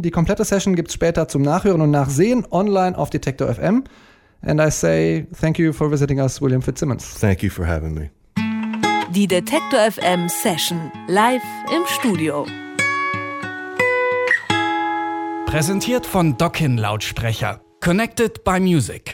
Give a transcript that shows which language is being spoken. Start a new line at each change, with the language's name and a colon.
German: Die komplette Session gibt's später zum Nachhören und Nachsehen online auf Detektor FM.
English: And I say thank you for visiting us, William Fitzsimmons. Thank you for having me.
German: Die Detektor FM Session live im Studio. Präsentiert von Dokin Lautsprecher.
English: Connected by Music.